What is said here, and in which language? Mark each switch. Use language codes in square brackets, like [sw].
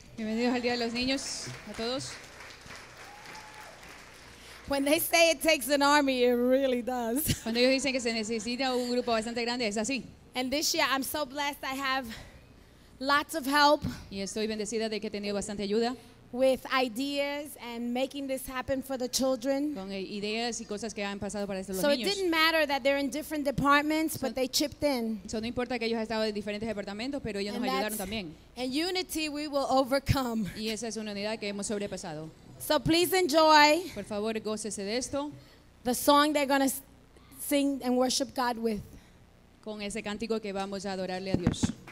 [es] Bienvenidos al Día de los Niños a todos. [en] When they say it takes an army, it really does. [es] Cuando ellos dicen que se necesita un grupo bastante grande, es así. [en] And this year, I'm so blessed I have lots of help. [es] Y estoy bendecida de que he tenido bastante ayuda. [en] With ideas and making this happen for the children. [es] Con ideas y cosas que han pasado para estos [en] so [es] los niños. [en] It didn't matter that they're in different departments, but they chipped in. [es] So no importa que ellos estaban en diferentes departamentos, pero ellos [en] and [es] nos ayudaron también. [en] In unity we will overcome. [es] Y esa es una unidad que hemos sobrepasado. [en] So please enjoy. [es] Por favor, gócese de esto. [en] The song they're going to sing and worship God with. [es] Con ese cántico que vamos a adorarle a Dios.